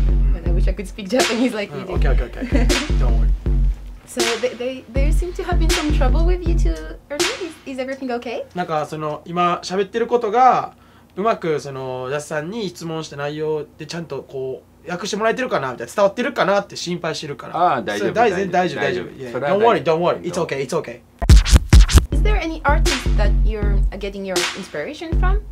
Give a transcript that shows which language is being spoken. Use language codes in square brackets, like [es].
[en] ね。I wish I could speak Japanese like you do. Okay. Don't worry. So there seem to have been some trouble with you two earlier. Is everything okay? [ja] なんかその今喋ってることが、うまくそのジャスさんに質問した内容でちゃんとこう訳してもらえてるかなみたいな、伝わってるかなって心配してるから。ああ大丈夫、それ大丈夫 [en] Don't worry, don't worry. It's okay, it's okay. Is there any artist that you're getting your inspiration from?